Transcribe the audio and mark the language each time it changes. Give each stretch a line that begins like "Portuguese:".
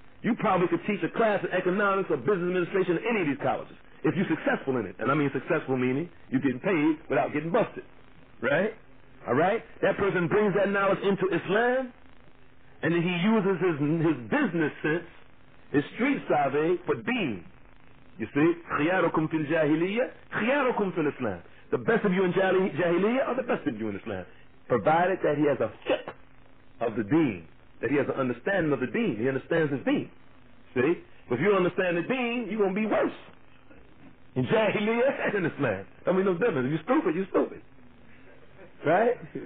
English: You probably could teach a class in economics or business administration in any of these colleges if you're successful in it. And I mean successful meaning you're getting paid without getting busted. Right? All right? That person brings that knowledge into Islam, and then he uses his business sense, his street savvy, for deen. You see?
Arabic: خياركم في الجاهلية خياركم في الإسلام.
English: The best of you in Jahiliyya are the best of you in Islam. Provided that he has a fiqh of the deen, that he has an understanding of the deen. He understands his deen. See? But if you don't understand the deen, you're going to be worse in Jahiliyyah and in Islam. I mean, no difference. If you're stupid, you're stupid. Right?